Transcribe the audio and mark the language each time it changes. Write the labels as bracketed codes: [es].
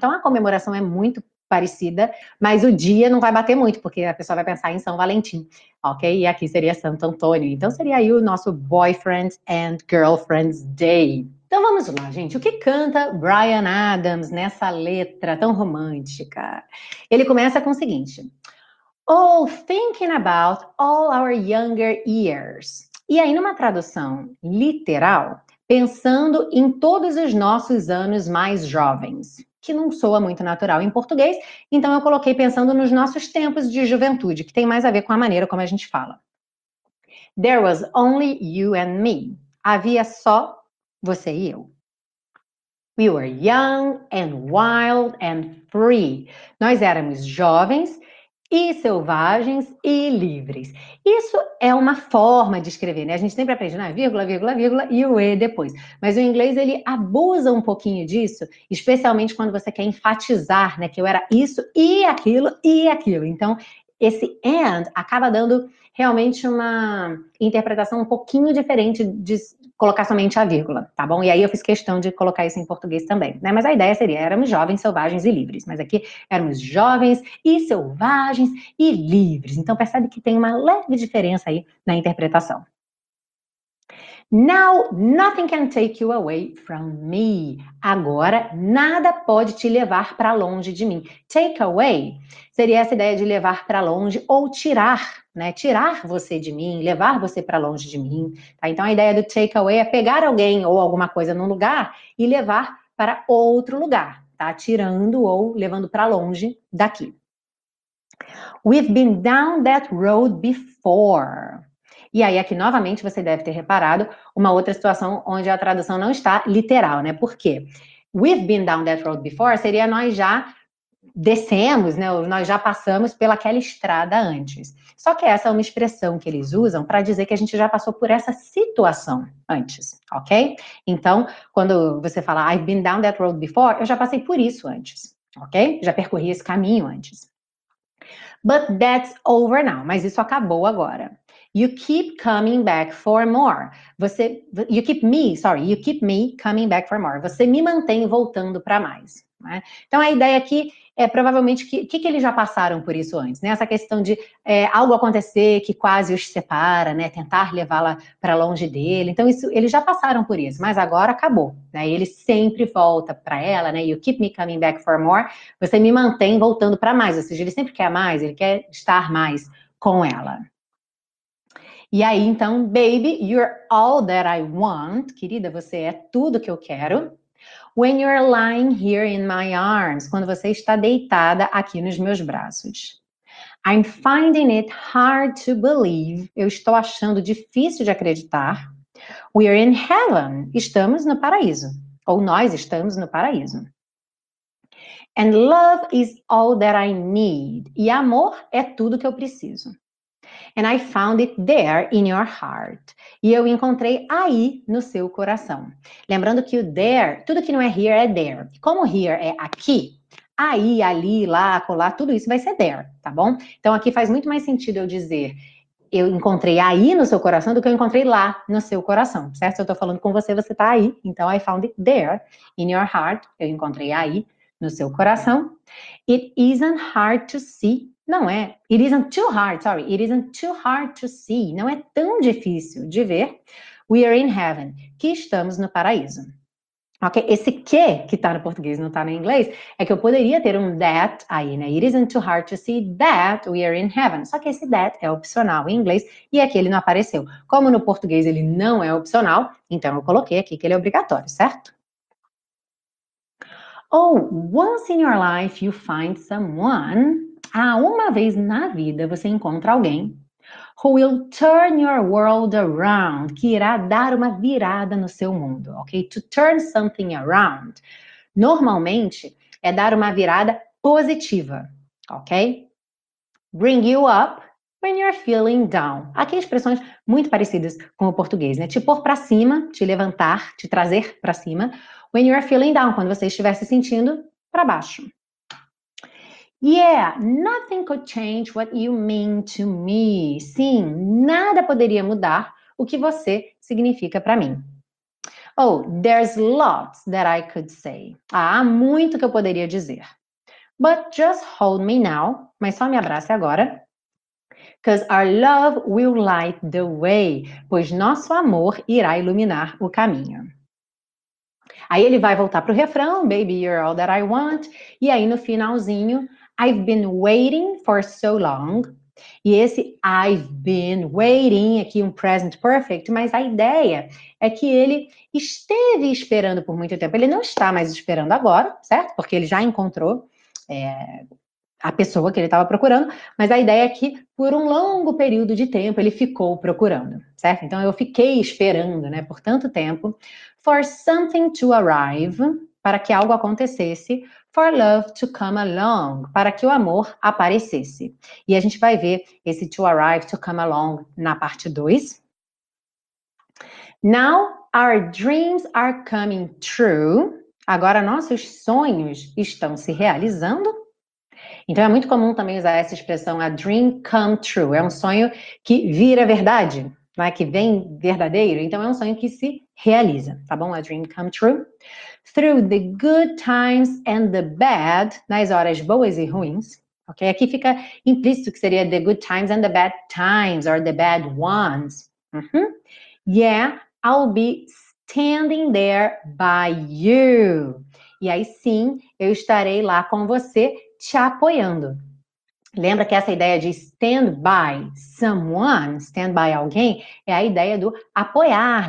[pt] Então, a comemoração é muito parecida, mas o dia não vai bater muito, porque a pessoa vai pensar em São Valentim, ok? E aqui seria Santo Antônio. Então, seria aí o nosso Boyfriend and Girlfriend's Day. Então vamos lá, gente. O que canta Bryan Adams nessa letra tão romântica? Ele começa com o seguinte. [en] Oh, thinking about all our younger years. [pt] E aí, numa tradução literal, pensando em todos os nossos anos mais jovens. Que não soa muito natural em português. Então eu coloquei pensando nos nossos tempos de juventude, que tem mais a ver com a maneira como a gente fala. [en] There was only you and me. [pt] Havia só você e eu. [en] We were young and wild and free. [pt] Nós éramos jovens e selvagens e livres. Isso é uma forma de escrever, né? A gente sempre aprende, né? Vírgula, vírgula, vírgula e o E depois. Mas o inglês, ele abusa um pouquinho disso, especialmente quando você quer enfatizar, né? Que eu era isso e aquilo e aquilo. Então, esse and acaba dando realmente uma interpretação um pouquinho diferente de colocar somente a vírgula, tá bom? E aí eu fiz questão de colocar isso em português também, né? Mas a ideia seria, éramos jovens, selvagens e livres. Mas aqui, éramos jovens e selvagens e livres. Então percebe que tem uma leve diferença aí na interpretação. [en] Now, nothing can take you away from me. [pt] Agora, nada pode te levar para longe de mim. Take away seria essa ideia de levar para longe ou tirar, né? Tirar você de mim, levar você para longe de mim. Tá? Então, a ideia do take away é pegar alguém ou alguma coisa num lugar e levar para outro lugar, tá? Tirando ou levando para longe daqui. [en] We've been down that road before. [pt] E aí, aqui, novamente, você deve ter reparado uma outra situação onde a tradução não está literal, né? Por quê? [en] We've been down that road before [pt] seria nós já descemos, né? Nós já passamos pelaquela estrada antes. Só que essa é uma expressão que eles usam para dizer que a gente já passou por essa situação antes, ok? Então, quando você fala [en] I've been down that road before, [pt] eu já passei por isso antes, ok? Já percorri esse caminho antes. [en] But that's over now. [pt] Mas isso acabou agora. [en] You keep coming back for more. You keep me coming back for more. [pt] Você me mantém voltando para mais. Né? Então, a ideia aqui é provavelmente que eles já passaram por isso antes. Né? Essa questão de algo acontecer que quase os separa, né? Tentar levá-la para longe dele. Então, isso, eles já passaram por isso, mas agora acabou. Né? Ele sempre volta para ela. Né? [en] You keep me coming back for more. [pt] Você me mantém voltando para mais. Ou seja, ele sempre quer mais. Ele quer estar mais com ela. E aí, então, [en] baby, you're all that I want. [pt] Querida, você é tudo que eu quero. [en] When you're lying here in my arms. [pt] Quando você está deitada aqui nos meus braços. [en] I'm finding it hard to believe. [pt] Eu estou achando difícil de acreditar. [en] We're in heaven. [pt] Estamos no paraíso. Ou nós estamos no paraíso. [en] And love is all that I need. [pt] E amor é tudo que eu preciso. And I found it there in your heart. E eu encontrei aí no seu coração. Lembrando que o there, tudo que não é here é there. Como here é aqui, aí, ali, lá, acolá, tudo isso vai ser there, tá bom? Então, aqui faz muito mais sentido eu dizer eu encontrei aí no seu coração do que eu encontrei lá no seu coração, certo? Se eu tô falando com você, você tá aí. Então, [en] I found it there, in your heart, [pt] eu encontrei aí no seu coração. [en] It isn't hard to see. [pt] Não é. [en] It isn't too hard, sorry. It isn't too hard to see. [pt] Não é tão difícil de ver. [en] We are in heaven. [pt] Que estamos no paraíso. Ok? Esse que tá no português, não tá no inglês, é que eu poderia ter um that aí, né? [en] It isn't too hard to see that we are in heaven. [pt] Só que esse that é opcional em inglês e aqui ele não apareceu. Como no português ele não é opcional, então eu coloquei aqui que ele é obrigatório, certo? [en] Oh, once in your life you find someone... [pt] Ah, uma vez na vida você encontra alguém [en] who will turn your world around, [pt] que irá dar uma virada no seu mundo, ok? To turn something around, normalmente, é dar uma virada positiva, ok? [en] Bring you up when you're feeling down. [pt] Aqui expressões muito parecidas com o português, né? Te pôr pra cima, te levantar, te trazer pra cima, [en] when you're feeling down, [pt] quando você estiver se sentindo pra baixo. [en] Yeah, nothing could change what you mean to me. [pt] Sim, nada poderia mudar o que você significa para mim. [en] Oh, there's lots that I could say. [pt] Ah, há muito que eu poderia dizer. [en] But just hold me now. [pt] Mas só me abrace agora. [en] Because our love will light the way. [pt] Pois nosso amor irá iluminar o caminho. Aí ele vai voltar pro refrão. [en] Baby, you're all that I want. [pt] E aí no finalzinho... [en] I've been waiting for so long. [pt] E esse I've been waiting, aqui um present perfect, mas a ideia é que ele esteve esperando por muito tempo. Ele não está mais esperando agora, certo? Porque ele já encontrou a pessoa que ele estava procurando. Mas a ideia é que por um longo período de tempo ele ficou procurando, certo? Então eu fiquei esperando, né, por tanto tempo. [en] For something to arrive, [pt] para que algo acontecesse. [en] For love to come along, [pt] para que o amor aparecesse. E a gente vai ver esse to arrive, to come along na parte 2. Now our dreams are coming true. Agora nossos sonhos estão se realizando. Então é muito comum também usar essa expressão, [en] a dream come true. [pt] É um sonho que vira verdade, não é? Que vem verdadeiro. Então é um sonho que se realiza, tá bom? [en] A dream come true. Through the good times and the bad, [pt] nas horas boas e ruins, ok? Aqui fica implícito que seria [en] the good times and the bad times, or the bad ones. Uhum. Yeah, I'll be standing there by you. [pt] E aí sim, eu estarei lá com você, te apoiando. Lembra que essa ideia de stand by someone, stand by alguém, é a ideia do apoiar.